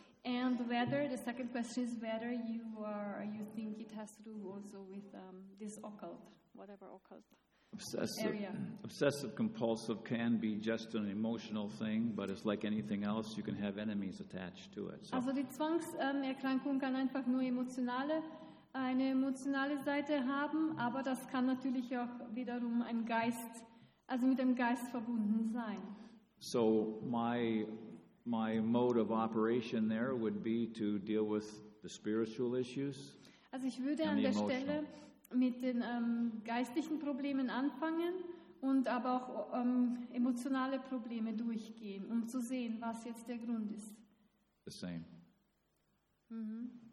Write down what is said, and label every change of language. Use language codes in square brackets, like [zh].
[en] And whether, the second question is whether you think it has to do also with this occult, whatever occult obsessive area. Obsessive compulsive can be just an emotional thing, but it's like anything else, you can have enemies attached to it. [de] So. Also die Zwangserkrankung kann einfach nur eine emotionale Seite haben, aber das kann natürlich auch wiederum ein Geist, also mit dem Geist verbunden sein. [en] So my mode of operation there would be to deal with the spiritual issues. [de] Also ich würde an der Stelle mit den geistlichen Problemen anfangen und aber auch emotionale Probleme durchgehen, um zu sehen, was jetzt der Grund ist. [en] The same. Mhm.